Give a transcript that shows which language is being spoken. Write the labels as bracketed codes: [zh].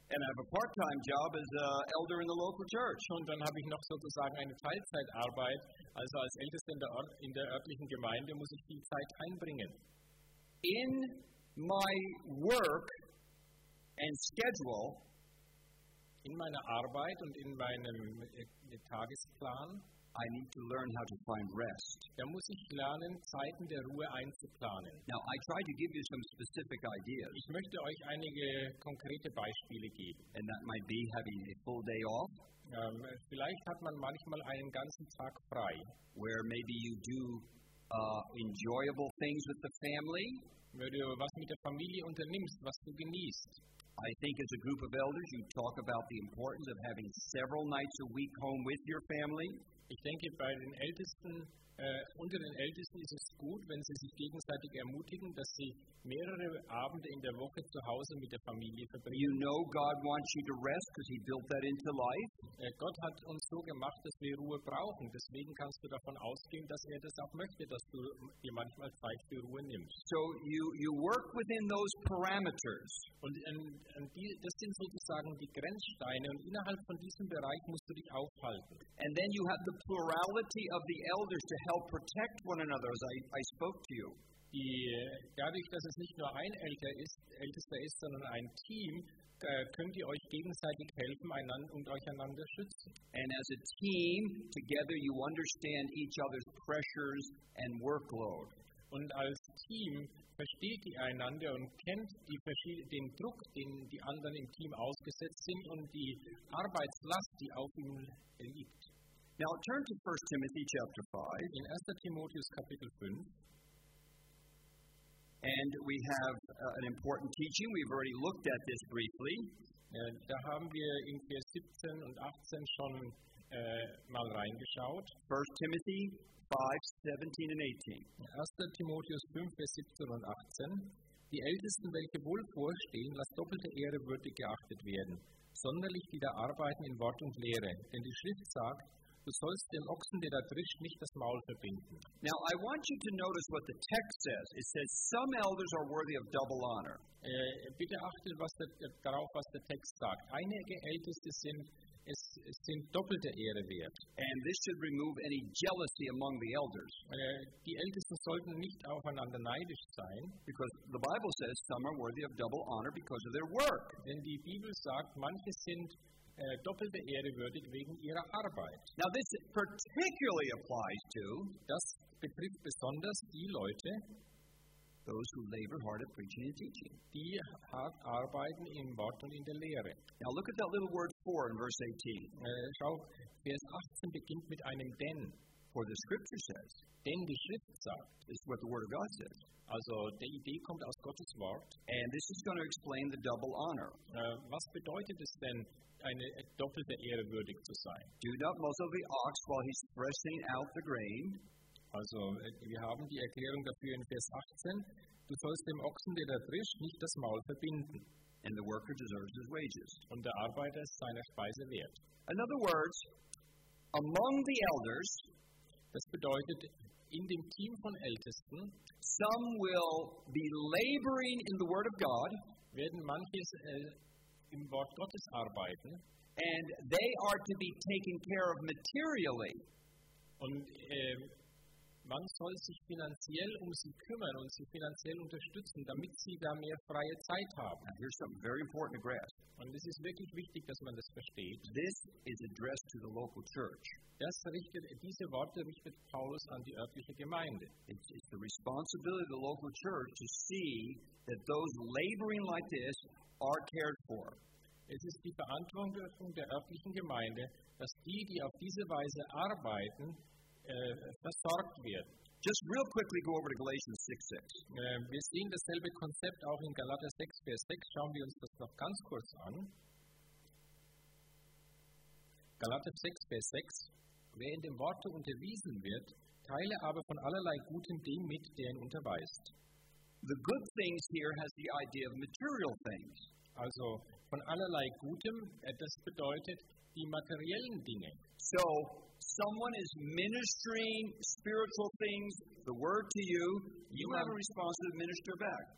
[en] And I have a part-time job as an elder in the local church. [de] Und dann habe ich noch sozusagen eine Teilzeitarbeit, also als Ältester in der örtlichen Gemeinde muss ich viel Zeit einbringen. [en] In my work and schedule. [de] In meiner Arbeit und in meinem Tagesplan, [en] I need to learn how to find rest. [de] Da muss ich lernen, Zeiten der Ruhe einzuplanen. [en] Now, I try to give you some specific ideas. [de] Ich möchte euch einige konkrete Beispiele geben. [en] And that might be having a full day off. [de] Vielleicht hat man manchmal einen ganzen Tag frei. [en] Where maybe you do enjoyable things with the family. [de] Wenn du was mit der Familie unternimmst, was du genießt. [en] I think as a group of elders, you talk about the importance of having several nights a week home with your family. [de] Ich denke, bei den Ältesten, unter den Ältesten ist es gut, wenn sie sich gegenseitig ermutigen, dass sie mehrere Abende in der Woche zu Hause mit der Familie verbringen. [en] You know God wants you to rest because he built that into life. [de] Gott hat uns so gemacht, dass wir Ruhe brauchen. Deswegen kannst du davon ausgehen, dass er das auch möchte, dass du dir manchmal Zeit für Ruhe nimmst. [en] So you work within those parameters. [de] Das sind sozusagen die Grenzsteine und innerhalb von diesem Bereich musst du dich aufhalten. [en] And then you have the plurality of the elders to help protect one another, as I spoke to you. [de] Dadurch, dass es nicht nur ein Ältester ist, sondern ein Team, könnt ihr euch gegenseitig helfen und euch einander schützen. [en] And as a team, together you understand each other's pressures and workload. [de] Und als Team versteht ihr einander und kennt den Druck, den die anderen im Team ausgesetzt sind und die Arbeitslast, die auf ihnen liegt. [en] Now turn to 1 Timothy chapter 5. [de] In 1. Timotheus Kapitel 5. [en] And we have an important teaching. We've already looked at this briefly. [de] Da haben wir in Vers 17 und 18 schon mal reingeschaut. [en] 1 Timothy 5, 17 and 18. [de] 1. Timotheus 5, Vers 17 und 18. Die Ältesten, welche wohl vorstehen, lass doppelte Ehre würdig geachtet werden, sonderlich die da arbeiten in Wort und Lehre. Denn die Schrift sagt, du sollst dem Ochsen, der da drischt, nicht das Maul verbinden. [en] Now, I want you to notice what the text says. It says, some elders are worthy of double honor. [de] Bitte achtet darauf, was der Text sagt. Einige Älteste sind doppelte Ehre wert. [en] And this should remove any jealousy among the elders. [de] Die Ältesten sollten nicht aufeinander neidisch sein. [en] Because the Bible says, some are worthy of double honor because of their work. [de] Denn die Bibel sagt, manche sind doppelte Ehre würdig wegen ihrer Arbeit. [en] Now this particularly applies to, [de] das betrifft besonders die Leute, [en] those who labor hard at preaching and teaching. [de] Die hart arbeiten im Wort und in der Lehre. [en] Now look at that little word for in verse 18. [de] Schau, Vers 18 beginnt mit einem denn. [en] For the scripture says, [de] denn die Schrift sagt, [en] is what the word of God says. [de] Also, die Idee kommt aus Gottes Wort. [en] And this is going to explain the double honor. [de] Was bedeutet es denn, eine doppelte Ehre würdig zu sein? [en] Do not muzzle the ox while he's threshing out the grain. [de] Also, wir haben die Erklärung dafür in Vers 18. Du sollst dem Ochsen, der da drischt, nicht das Maul verbinden. [en] And the worker deserves his wages. [de] Und der Arbeiter ist seiner Speise wert. [en] In other words, among the elders, [de] das bedeutet, in dem Team von Ältesten, [en] some will be laboring in the Word of God, [de] werden manche im Wort Gottes arbeiten, [en] and they are to be taken care of materially. [de] Und man soll sich finanziell um sie kümmern und sie finanziell unterstützen, damit sie da mehr freie Zeit haben. [en] Now here's something very important to grasp. [de] Und es ist wirklich wichtig, dass man das versteht. [en] This is addressed to the local church. [de] Diese Worte richtet Paulus an die örtliche Gemeinde. [en] It's the responsibility of the local church to see that those laboring like this are cared for. [de] Es ist die Verantwortung der örtlichen Gemeinde, dass die, die auf diese Weise arbeiten, versorgt wird. [en] Just real quickly go over to Galatians 6:6. [de] Wir sehen dasselbe Konzept auch in Galater 6, Vers 6. Schauen wir uns das noch ganz kurz an. Galater 6, Vers 6. Wer in dem Worte unterwiesen wird, teile aber von allerlei Gutem dem mit, der ihn unterweist. [en] The good things here has the idea of material things. [de] Also von allerlei Gutem, das bedeutet die materiellen Dinge. [en] So, someone is ministering spiritual things, the word to you, you have a responsibility to minister back.